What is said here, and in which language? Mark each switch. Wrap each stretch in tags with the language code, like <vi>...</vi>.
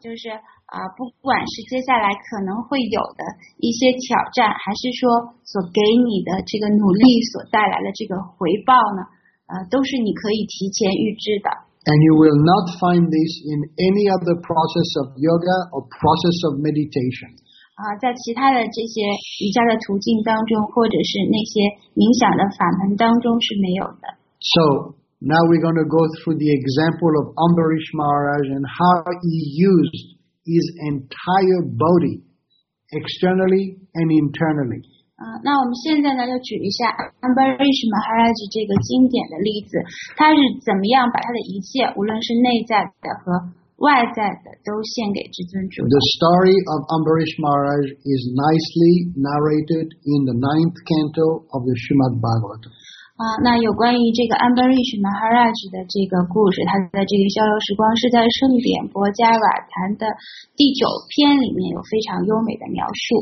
<zh>就是不管是接下来可能会有的一些挑战，还是说所给你的这个努力所带来的这个回报呢？都是你可以提前预知的。</zh> <en>And you will not find this in any other process of yoga or process of meditation.</en> <zh>在其他的这些瑜伽的途径当中或者是那些冥想的法门当中是没有的。</zh> <en>So, now we're going to go through the example of Ambarish Maharaj and how he used his entire body, externally and internally.</en> <zh>那我们现在呢就举一下 Ambarish Maharaj 这个经典的例子。他是怎么样把他的一切无论是内在的和外在的都献给至尊主。</zh> <en>The story of Ambarish Maharaj is nicely narrated in the ninth canto of the Srimad Bhagavatam.</en> <zh>那有关于这个 Ambarish Maharaj 的这个故事，他的这个逍遥时光是在《圣典薄伽瓦坛》的第九篇里面有非常优美的描述。</zh>